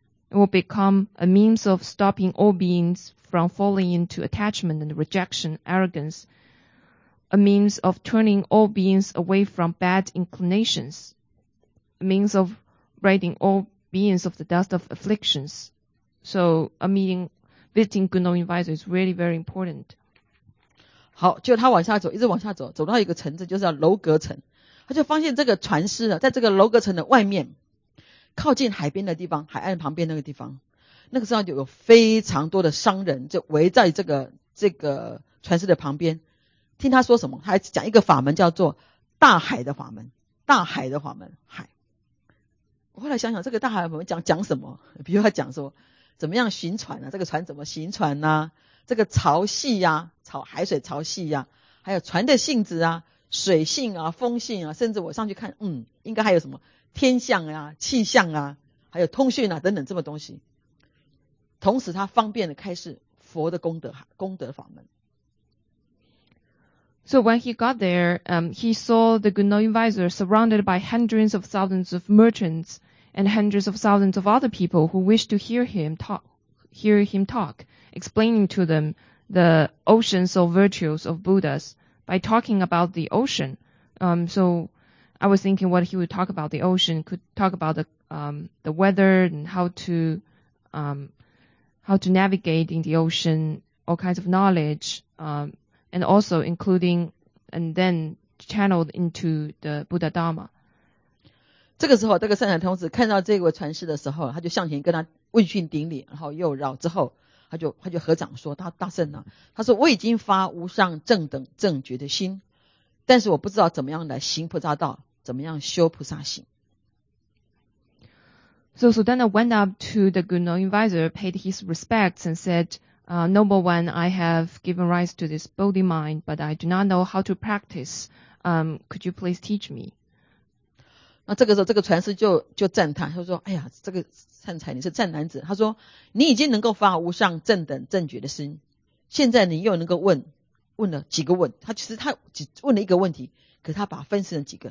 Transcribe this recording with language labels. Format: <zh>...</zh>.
<en>It will become a means of stopping all beings from falling into attachment and rejection, arrogance, a means of turning all beings away from bad inclinations, a means of ridding all beings of the dust of afflictions. So visiting good knowing advisor is really very important.</en> <zh>好，就他往下走，一直往下走，走到一个城镇，就是叫楼阁城。他就发现这个船师啊，在这个楼阁城的外面，靠近海边的地方，海岸旁边那个地方，那个时候就有非常多的商人就围在这个船师的旁边，听他说什么，他还讲一个法门叫做大海的法门，大海的法门，海。我后来想想，这个大海的法门讲什么？比如他讲说，怎么样行船啊？这个船怎么行船啊？这个潮汐啊，潮海水潮汐啊，还有船的性质啊，水性啊、风性啊，甚至我上去看，嗯，应该还有什么天象啊、气象啊，还有通讯啊等等这么东西。同时，它方便的开示佛的功德法门。</zh> <en>So when he got there, he saw the Gunung Advisor surrounded by hundreds of thousands of merchants and hundreds of thousands of other people who wished to hear him talk, explaining to them the oceans of virtues of Buddhas by talking about the ocean. So I was thinking what he would talk about the ocean, could talk about the weather and how to navigate in the ocean, all kinds of knowledge, and also including, and then channeled into the Buddha Dharma.</en> <zh>这个时候，这个善财童子看到这位传世的时候，他就向前跟他问讯顶礼，然后又绕之后，他就合掌说：“大圣啊，他说我已经发无上正等正觉的心，但是我不知道怎么样来行菩萨道，怎么样修菩萨行。”</zh> <en>So Sudana went up to the Gunung Advisor, paid his respects, and said, Noble one, I have given rise to this Bodhi mind, but I do not know how to practice. Could you please teach me?</en> <zh>那这个时候，这个传师就赞叹，他说：“哎呀，这个善财，你是善男子。” 他说：“你已经能够发无上正等正觉的心，现在你又能够问了几个问？他其实他只问了一个问题，可是他把分成了几个。</zh>